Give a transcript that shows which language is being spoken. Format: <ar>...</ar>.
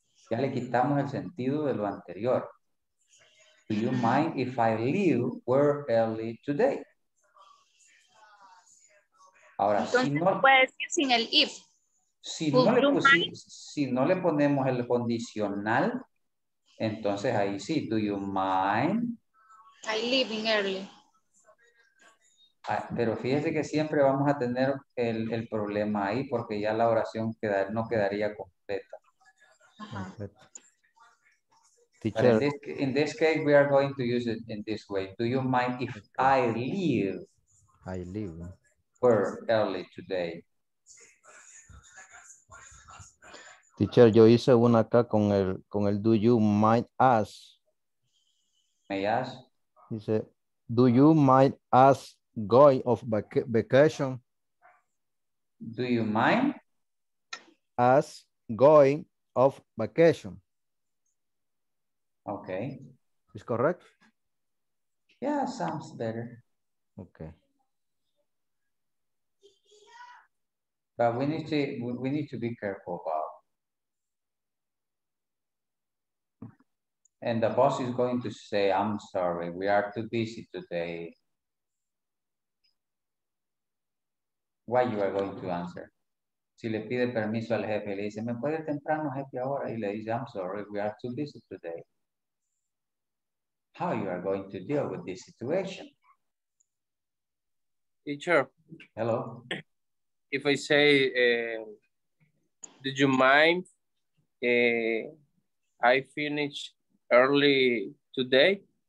<es>Ya le quitamos el sentido de lo anterior.</es> <en>Do you mind if I leave where early today?</en> <es>Ahora, entonces, si no puede decir sin el if. Si no, le pusimos, si no le ponemos el condicional, entonces ahí sí,</es> <en>do you mind? I leaving early.</en> <es>Ah, pero fíjese que siempre vamos a tener el problema ahí porque ya la oración no quedaría completa.</es> <en>In this case, we are going to use it in this way. Do you mind if I leave? I leave. Where early today?</en> <es>Teacher, yo hice una acá con el</es> <en>do you mind us? May I ask?</en> <es>Dice,</es> <en>do you mind us going of vacation? Do you mind us going of vacation? Okay. Is correct? Yeah, sounds better. Okay. But we need to be careful about. And the boss is going to say, I'm sorry, we are too busy today. Why you are going to answer?</en> <es>Si le pide permiso al jefe, le dice, me puede ir temprano, jefe, ahora. Y le dice,</es> <en>I'm sorry, we are too busy today. How you are going to deal with this situation? Teacher. Hello. If I say, did you mind I finish early today?</en>